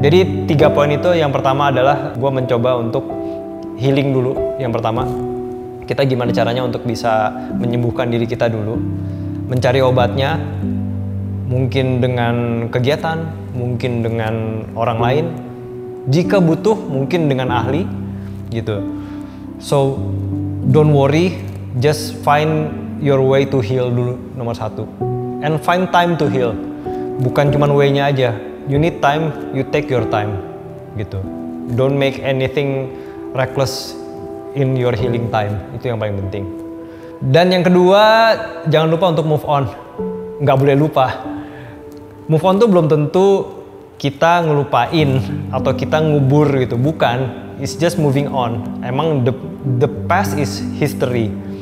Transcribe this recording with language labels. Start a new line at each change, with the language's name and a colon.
Indonesian: Jadi 3 poin itu, yang pertama adalah gue mencoba untuk healing dulu. Yang pertama, kita gimana caranya untuk bisa menyembuhkan diri kita dulu, mencari obatnya. Mungkin dengan kegiatan, mungkin dengan orang lain. Jika butuh, mungkin dengan ahli, gitu.
English: So, don't worry, just find your way to heal
Indonesian: dulu, nomor satu.
English: And find time to heal.
Indonesian: Bukan cuma way-nya aja.
English: You need time, you take your time,
Indonesian: gitu.
English: Don't make anything reckless in your healing time.
Indonesian: Itu yang paling penting. Dan yang kedua, jangan lupa untuk move on. Nggak boleh lupa. Move on tuh belum tentu kita ngelupain atau kita ngubur gitu, bukan.
English: It's just moving on.
Indonesian: Emang
English: the past is history.